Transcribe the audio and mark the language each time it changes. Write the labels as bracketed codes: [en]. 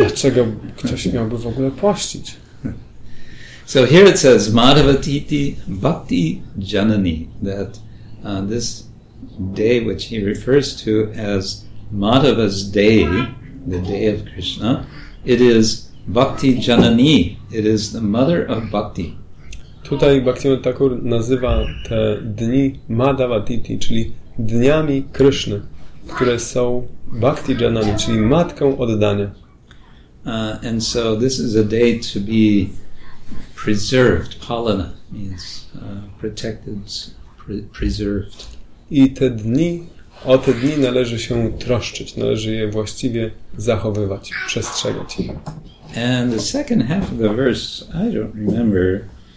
[pl] Dlaczego ktoś miałby w ogóle pościć? [en] So here it says, Madhavatiti Bhakti Janani, that this day which he refers to as Madhava's day, the day of Krishna, it is Bhakti Janani, it is the mother of Bhakti. [pl] Tutaj Bhaktivinoda Thakur nazywa te dni Madhavatiti, czyli dniami Krishna, które są Bhakti Janani, czyli matką oddania. [en] And so this is a day to be preserved. Palana means protected, preserved. [pl] I te dni, o te dni należy się troszczyć, należy je właściwie zachowywać, przestrzegać. [en] And the second half of the verse, I don't remember.